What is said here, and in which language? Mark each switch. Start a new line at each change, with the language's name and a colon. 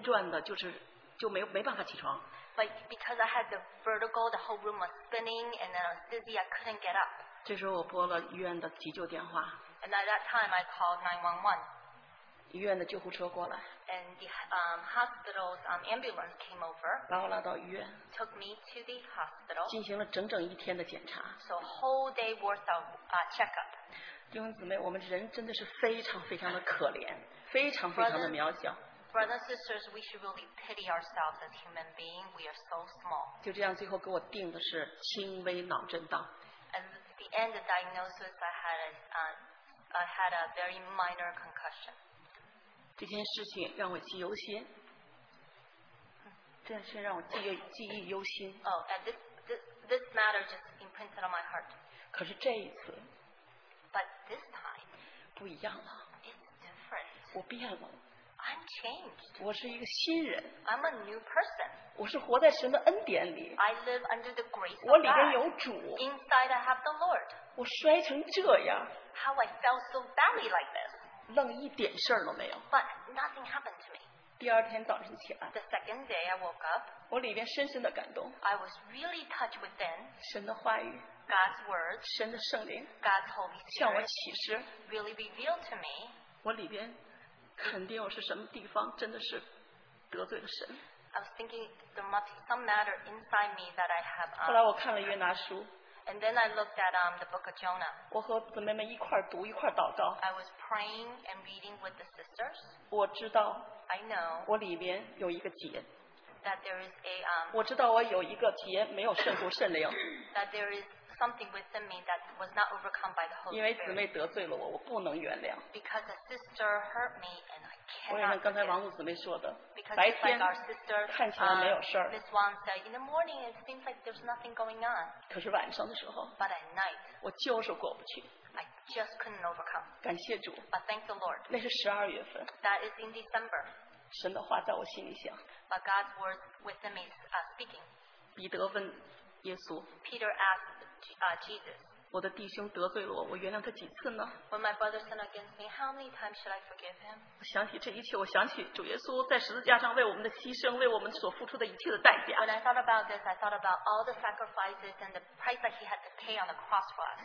Chinese: 但是头晕天转的，就没办法起床。
English: But because I had the vertigo, the whole room was spinning, and then I was dizzy, I couldn't get up.
Chinese: 这时候我拨了医院的急救电话。
English: And at that time, I called 911.
Chinese: 医院的救护车过来。
English: And the hospital's ambulance came over.
Chinese: 把我拉到医院。
English: Took me to the hospital.
Chinese: 进行了整整一天的检查。
English: So a whole day worth of checkup.
Chinese: 弟兄姊妹，我们人真的是非常非常的可怜，非常非常的渺小。
English: Brothers and sisters, we should really pity ourselves as human beings. We are so small.
Chinese: 就这样，最后给我定的是轻微脑震荡。
English: And at the end of the diagnosis, I had a very minor concussion.
Chinese: 这件事情让我记忆犹新。这件事让我记忆犹新。
English: Oh, and this matter just imprinted on my heart.
Chinese: 可是这一次。
English: But this time.
Chinese: 不一样了。
English: It's different.
Chinese: 我变了。
English: I'm changed.
Chinese: 我是一个新人。
English: I'm a new person.
Chinese: 我是活在神的恩典里。
English: I live under the grace of God.
Chinese: 我里边有主。
English: Inside I have the Lord.
Chinese: 我摔成这样。
English: How I fell so badly like this.
Chinese: 愣一点事儿都没有。
English: But nothing happened to me.
Chinese: 第二天早晨起来,
English: the second day I woke up,
Chinese: 我里面深深的感动,
English: I was really touched within
Chinese: 神的话语,
English: God's words,
Chinese: 神的圣灵,
English: God's Holy Spirit
Chinese: 向我启示,
English: really revealed to me,
Chinese: 我里边肯定我是什么地方, 真的是得罪了神,
English: I was thinking there must be some matter inside me that I have.
Chinese: 后来我看了约拿书,
English: and then I looked at the book of Jonah.
Chinese: 我和姊妹们一块读一块祷告,
English: I was praying and reading with the sisters.
Chinese: 我知道,
English: I know
Chinese: 我里边有一个结,
English: that there is a
Chinese: 我知道我有一个结没有胜过圣灵,
English: that there is something within me that was not overcome by the Holy Spirit.
Chinese: 因为姊妹得罪了我, 我不能原谅,
English: because a sister hurt me and I cannot.
Chinese: 我也能刚才王母姊妹说的,
English: because it's like our sister,
Chinese: 白天看起来没有事儿,
English: Miss Wang said, in the morning it seems like there's nothing going on.
Chinese: 可是晚上的时候,
English: but at night,
Chinese: 我就是过不去,
English: I just couldn't overcome.
Chinese: 感谢主,
English: but thank the Lord.
Chinese: 那是12月份,
English: that is in December.
Chinese: 神的话在我心里想,
English: but God's words within me is speaking.
Chinese: 彼得问耶稣,
English: Peter asked Jesus,
Chinese: 我的弟兄得罪了我, 我原谅他几次呢?
English: When my brother sinned against me, how many times should I forgive him?
Chinese: 我想起这一切, 我想起主耶稣在十字架上为我们的牺牲, 为我们所付出的一切的代价。
English: When I thought about this, I thought about all the sacrifices and the price that he had to pay on the cross for us.